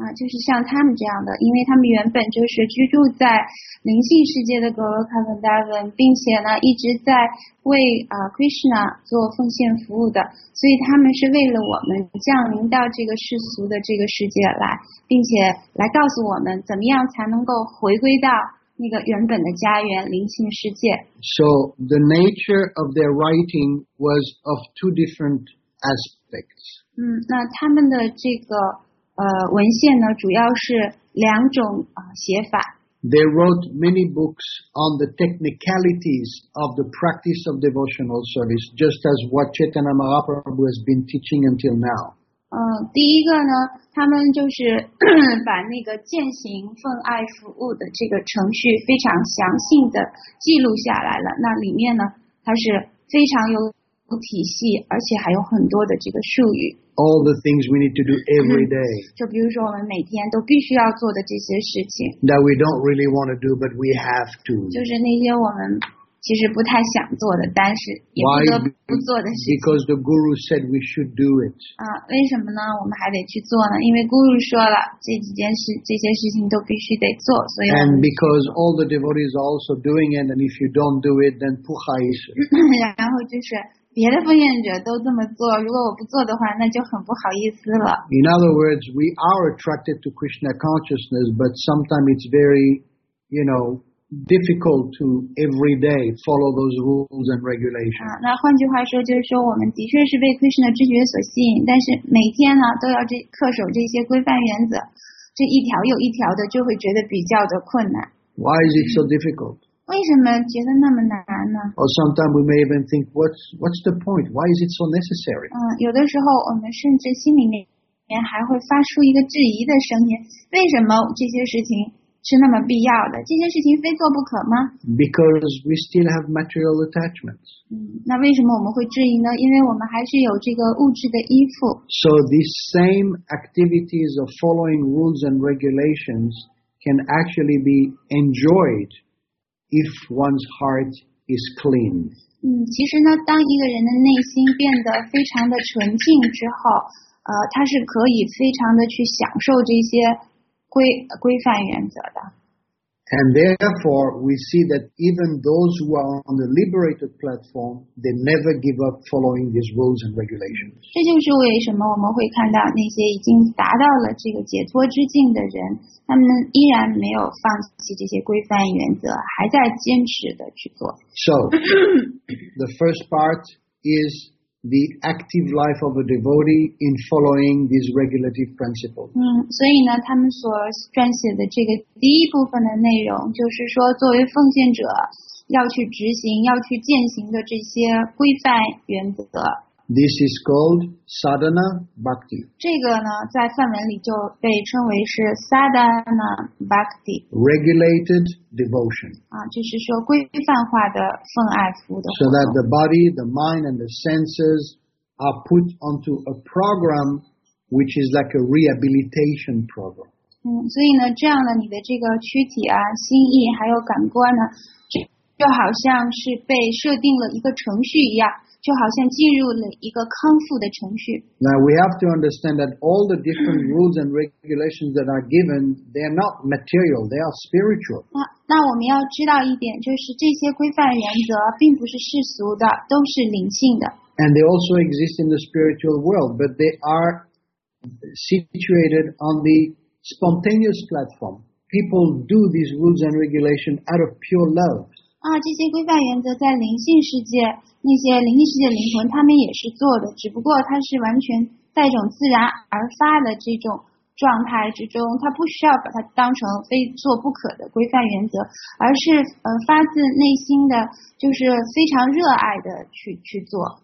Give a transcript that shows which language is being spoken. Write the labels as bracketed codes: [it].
[zh] 就是像他们这样的，因为他们原本就是居住在灵性世界的 Goloka Vrindavan， 并且呢一直在为Krishna 做奉献服务的，所以他们是为了我们降临到这个世俗的这个世界来，并且来告诉我们怎么样才能够回归到那个原本的家园灵性世界。 [en] So the nature of their writing was of two different aspects. [zh] 那他们的这个文献呢，主要是两种写法。 [en] They wrote many books on the technicalities of the practice of devotional service, just as what Chaitanya Mahaprabhu has been teaching until now. [zh] 第一个呢，他们就是把那个践行奉爱服务的这个程序非常详细的记录下来了。那里面呢，它是非常有体系，而且还有很多的这个术语。 [en] All the things we need to do every day. [zh] 就比如说我们每天都必须要做的这些事情。 [en] That we don't really want to do, but we have to. [zh] 就是那些我们其实不太想做的，但是也不得不做的事情。 [en] Why? Because the guru said we should do it. [zh] 为什么呢？我们还得去做呢？因为 guru 说了这些事情都必须得做，所以。 [en] And because all the devotees are also doing it, and if you don't do it, then puha is. [zh] 然后就是。别的奉献者都这么做，如果我不做的话，那就很不好意思了。 [en] In other words, we are attracted to Krishna consciousness, but sometimes it's very, you know, difficult to every day follow those rules and regulations. [zh] 那换句话说，就是说我们的确是被 Krishna 之觉所吸引，但是每天呢都要恪守这些规范原则，这一条又一条的，就会觉得比较的困难。 [en] Why is it so difficult? [zh] 为什么觉得那么难呢？ [en] Or sometimes we may even think, what's the point? Why is it so necessary? [zh] 有的时候我们甚至心里面还会发出一个质疑的声音，为什么这些事情是那么必要的？这些事情非做不可吗？ [en] Because we still have material attachments. [zh] 那为什么我们会质疑呢？因为我们还是有这个物质的依附。 [en] So these same activities of following rules and regulations can actually be enjoyed if one's heart is clean. [zh] 其实呢，当一个人的内心变得非常的纯净之后，他是可以非常的去享受这些规范原则的。 [en] And therefore, we see that even those who are on the liberated platform, they never give up following these rules and regulations. [zh] 这就是为什么我们会看到那些已经达到了这个解脱之境的人，他们依然没有放弃这些规范原则，还在坚持的去做。 [en] So, the first part is the active life of a devotee in following these regulative principles. [zh] 所以呢，他们所撰写的这个第一部分的内容，就是说作为奉献者要去执行、要去践行的这些规范原则。 [en] This is called sadhana bhakti. [zh] 这个呢，在梵文里就被称为是 sadhana bhakti. [en] Regulated devotion. [zh] 就是说规范化的奉爱服务的。 [en] So that the body, the mind, and the senses are put onto a program which is like a rehabilitation program. [zh] 所以呢，这样呢，你的这个躯体啊、心意还有感官呢，就好像是被设定了一个程序一样。就好像进入了一个康复的程序。 [en] Now we have to understand that all the different rules and regulations that are given, they are not material, they are spiritual. [zh] 那我们要知道一点，就是这些规范原则并不是世俗的，都是灵性的。 [en] And they also exist in the spiritual world, but they are situated on the spontaneous platform. People do these rules and regulations out of pure love. [zh] 这些规范原则在灵性世界，那些灵性世界灵魂他们也是做的，只不过他是完全在一种自然而发的这种状态之中，他不需要把它当成非做不可的规范原则，而是发自内心的，就是非常热爱的去做。